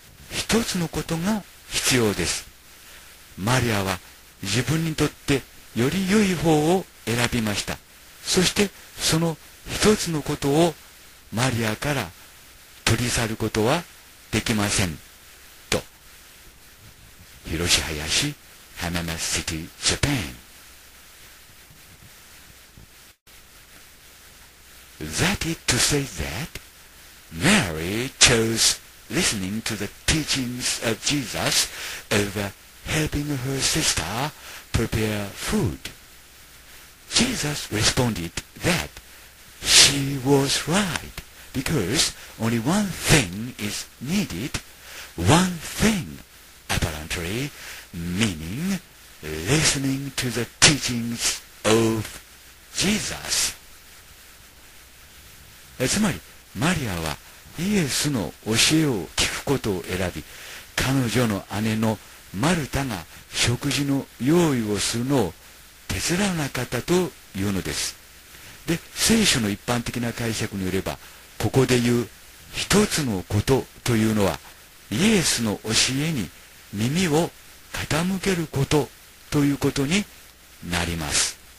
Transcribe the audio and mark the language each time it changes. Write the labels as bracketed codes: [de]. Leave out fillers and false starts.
[ja] 一つのことが必要です。マリアは自分にとってより良い方を選びました。そしてその一つのことをマリアから取り去ることはできません。と。広志林、浜松シティ、ジャパン。 [en] That is to say that Mary chose listening to the teachings of Jesus over helping her sister prepare food. Jesus responded that she was right because only one thing is needed, one thing, apparently, meaning listening to the teachings of Jesus. [ja] つまり、マリアはイエスの教えを聞くことを選び、彼女の姉のマルタが食事の用意をするのを手伝わなかったというのです。で、聖書の一般的な解釈によれば、ここで言う一つのことというのはイエスの教えに耳を傾けることということになります。